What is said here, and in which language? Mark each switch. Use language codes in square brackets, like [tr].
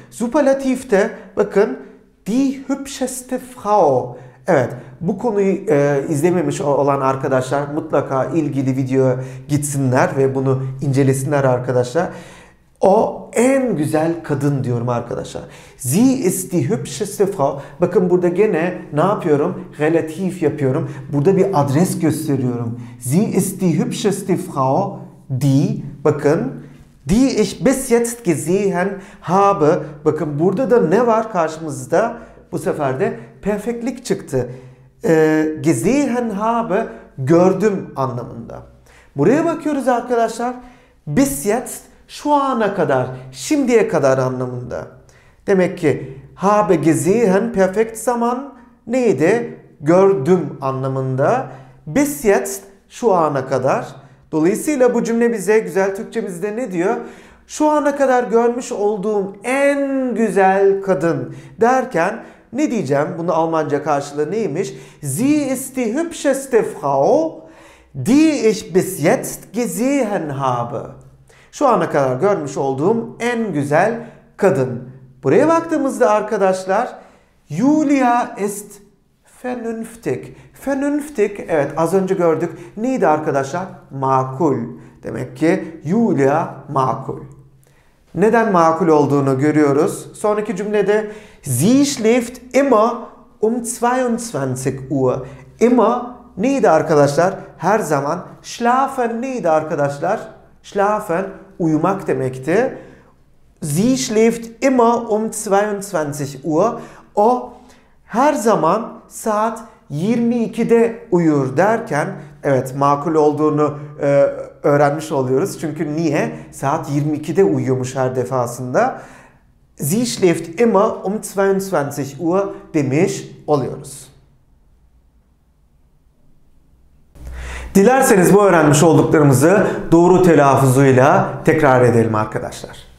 [tr] Superlatifte bakın [de] die hübscheste Frau. [tr] Evet, bu konuyu izlememiş olan arkadaşlar mutlaka ilgili videoya gitsinler ve bunu incelesinler arkadaşlar. O en güzel kadın diyorum arkadaşlar. [de] Sie ist die hübscheste Frau. [tr] Bakın burada gene ne yapıyorum? Relatif yapıyorum. Burada bir adres gösteriyorum. [de] Sie ist die hübscheste Frau, die, [tr] bakın, [de] die ich bis jetzt gesehen habe. [tr] Bakın burada da ne var karşımızda? Bu sefer de perfektlik çıktı. [de] Gesehen habe, [tr] gördüm anlamında. Buraya bakıyoruz arkadaşlar. [de] Bis jetzt, [tr] şu ana kadar, şimdiye kadar anlamında. Demek ki [de] habe gesehen [tr] perfekt zaman neydi? Gördüm anlamında. [de] Bis jetzt, [tr] şu ana kadar. Dolayısıyla bu cümle bize güzel Türkçemizde ne diyor? Şu ana kadar görmüş olduğum en güzel kadın derken ne diyeceğim? Bunu Almanca karşılığı neymiş? [de] Sie ist die hübscheste Frau, die ich bis jetzt gesehen habe. [tr] Şu ana kadar görmüş olduğum en güzel kadın. Buraya baktığımızda arkadaşlar, [de] Julia ist vernünftig. [tr] Vernünftig, evet az önce gördük. Neydi arkadaşlar? Makul. Demek ki Julia makul. Neden makul olduğunu görüyoruz. Sonraki cümlede, [de] sie schläft immer um 22 Uhr. [tr] Immer neydi arkadaşlar? Her zaman. Schlafen neydi arkadaşlar? Schlafen, uyumak demekti. [de] Sie schläft immer um 22 Uhr. [tr] O her zaman saat 22'de uyur derken, evet makul olduğunu öğrenmiş oluyoruz. Çünkü niye? Saat 22'de uyuyormuş her defasında. [de] Sie schläft immer um 22 Uhr [tr] demiş oluyoruz. Dilerseniz bu öğrenmiş olduklarımızı doğru telaffuzuyla tekrar edelim arkadaşlar.